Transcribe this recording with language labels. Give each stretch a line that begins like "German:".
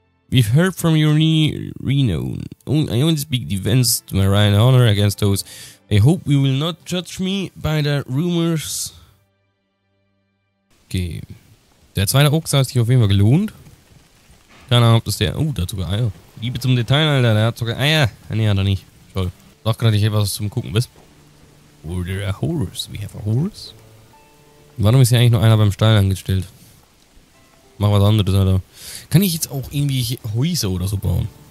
English: We've heard from your renown. I only speak defense to my right honor against those. I hope you will not judge me by the rumors. Okay.
German: Der zweite Ochse hat sich auf jeden Fall gelohnt. Keine Ahnung, ob das der. Oh, der hat sogar Eier. Liebe zum Detail, Alter. Der hat sogar Eier. Nee, hat er nicht. Toll. Doch gerade ich etwas zum Gucken, wisst.
English: Were there a horse? We have a horse?
German: Warum ist hier eigentlich nur einer beim Stall angestellt? Mach was anderes, Alter. Kann ich jetzt auch irgendwie Häuser oder so bauen?